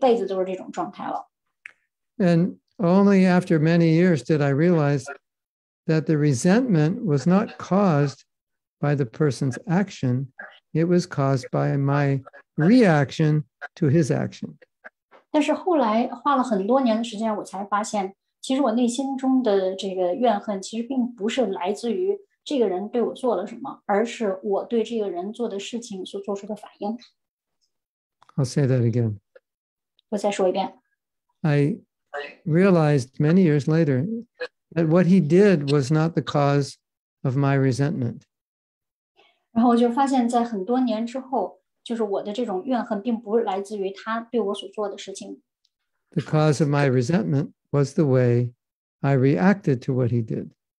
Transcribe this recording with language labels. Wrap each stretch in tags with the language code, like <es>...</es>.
<zh>就是当我在内心中对你有很深的怨恨，而且我不知道怎么去处理这件事的时候，我就觉得我肯定这一辈子都是这种状态了。</zh> <en>And only after many years did I realize that the resentment was not caused by the person's action, it was caused by my reaction to his action.</en> <zh>但是后来花了很多年的时间，我才发现。其实我内心中的这个怨恨，其实并不是来自于这个人对我做了什么，而是我对这个人做的事情所做出的反应。</zh> <en>I'll say that again.</en> <zh>我再说一遍。</zh> <en>I realized many years later that what he did was not the cause of my resentment.</en> <zh>然后我就发现，在很多年之后，就是我的这种怨恨并不是来自于他对我所做的事情。</zh> <en>The cause of my resentment was the way I reacted to what he did.</en>